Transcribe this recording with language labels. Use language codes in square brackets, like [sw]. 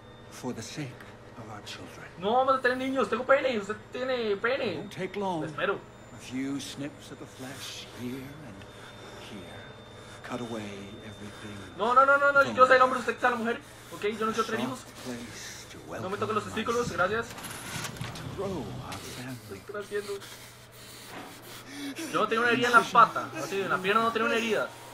[en] For the sake of our children. [es] No vamos a tener niños, tengo pene, usted tiene pene. [en] Won't take long. Espero. A few snips of the flesh here and here. Cut away everything. [es] No, yo soy el hombre, usted es la mujer. Ok, yo no quiero tener hijos. No me toquen los testículos, gracias. Yo no tenía una herida en la pata, así, en la pierna no tenía una herida.